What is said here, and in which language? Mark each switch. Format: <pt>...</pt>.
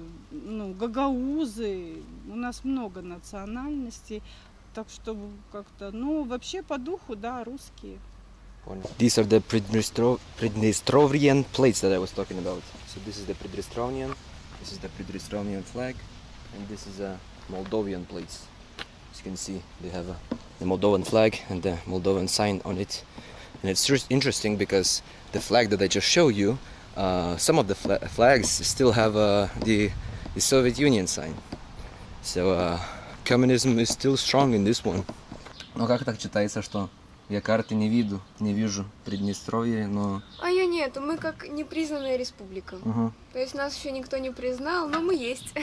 <ru>Ну, гагаузы, у нас много национальностей, так что как-то, ну, вообще по духу, да, русские.</ru> <en>These are the Pridnestrovian plates that I was talking about. So this is the Pridnestrovian, this is the Pridnestrovian flag, and this is a Moldovan plates. As you can see, they have the Moldovan flag and the Moldovan sign on it. And it's interesting because the flag that I just showed you, some of the flags still have the Soviet Union sign. So communism is still strong in this one.</en> <ru>Но как так читается, что я карты не вижу, не вижу Приднестровье, но. А я нет, мы как непризнанная республика. То есть нас еще никто не признал, но мы есть.</ru>